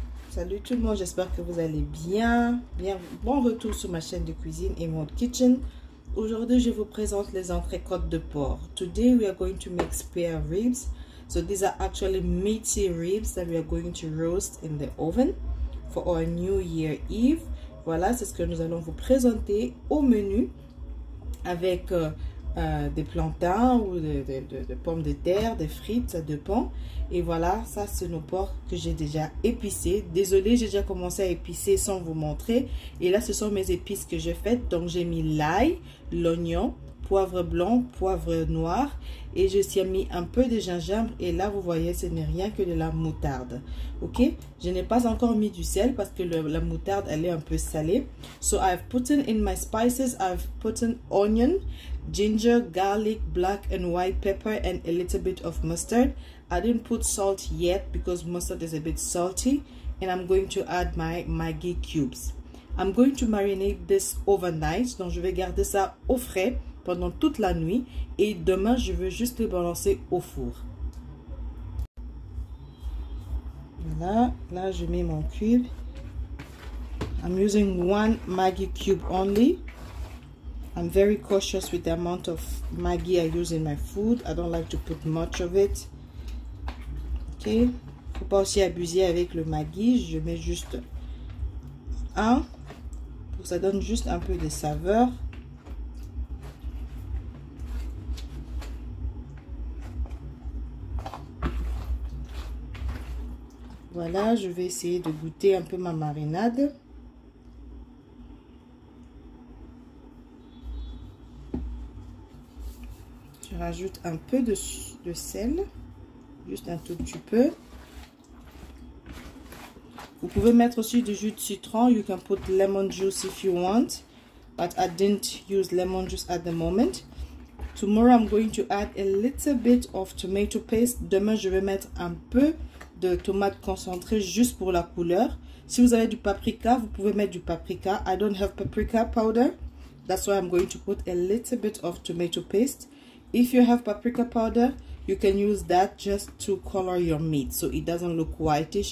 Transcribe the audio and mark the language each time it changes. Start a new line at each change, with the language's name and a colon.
French: Salut tout le monde, j'espère que vous allez bien. Bon retour sur ma chaîne de cuisine et mon kitchen. Aujourd'hui, je vous présente les entrecôtes de porc.
English: Today, we are going to make spare ribs. So, these are actually meaty ribs that we are going to roast in the oven for our New Year Eve.
French: Voilà, c'est ce que nous allons vous présenter au menu avec. Des plantains ou de pommes de terre, des frites, ça dépend. Et voilà, ça c'est nos porcs que j'ai déjà épicés. Désolée, j'ai déjà commencé à épicer sans vous montrer. Et là, ce sont mes épices que j'ai faites. Donc, j'ai mis l'ail, l'oignon, poivre blanc, poivre noir. Et je suis mis un peu de gingembre. Et là, vous voyez, ce n'est rien que de la moutarde. Ok? Je n'ai pas encore mis du sel parce que la moutarde, elle est un peu salée.
English: So, I've put in my spices. I've put in onion. Ginger, garlic, black and white pepper, and a little bit of mustard. I didn't put salt yet because mustard is a bit salty. And I'm going to add my Maggi cubes. I'm going to marinate this overnight.
French: Donc, je vais garder ça au frais pendant toute la nuit. Et demain, je veux juste le balancer au four. Voilà, là, je mets mon cube.
English: I'm using one Maggi cube only. I'm very cautious with the amount of Maggi I use in my food. I don't like to put much of it.
French: Okay. Faut pas aussi abuser avec le Maggi. Je mets juste un pour que ça donne juste un peu de saveur. Voilà, je vais essayer de goûter un peu ma marinade. Rajoute un peu de sel, juste un tout petit peu. Vous pouvez mettre aussi du jus de citron.
English: You can put lemon juice if you want, but I didn't use lemon juice at the moment. Tomorrow, I'm going to add a little bit of tomato paste.
French: Demain, je vais mettre un peu de tomate concentrée juste pour la couleur. Si vous avez du paprika, vous pouvez mettre du paprika.
English: I don't have paprika powder. That's why I'm going to put a little bit of tomato paste. If you have paprika powder, you can use that just to color your meat so it doesn't look whitish.